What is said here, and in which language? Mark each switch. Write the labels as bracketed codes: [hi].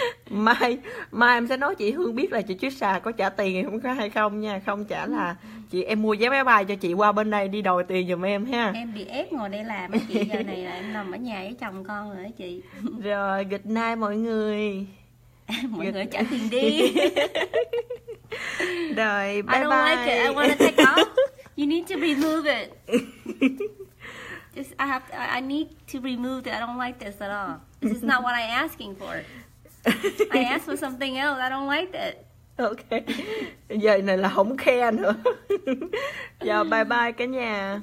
[vi] Mai em sẽ nói chị Hương biết là chị Trisha có trả tiền thì không có hay không nha. Không trả là chị em mua vé máy bay cho chị qua bên đây đi đòi tiền giùm em ha. Em bị ép ngồi đây làm á chị, giờ này là em nằm ở nhà với chồng con rồi á chị. Rồi [en] good night [vi] mọi người. Mọi người trả tiền đi. Rồi bye bye. [en] I don't like it, I wanna take off. You need to remove it. Just, I need to remove it, I don't like this at all. This is not what I'm asking for. I asked for something else, I don't like it. Okay. [vi] Giờ này là không khen nữa. Giờ bye bye cả nhà.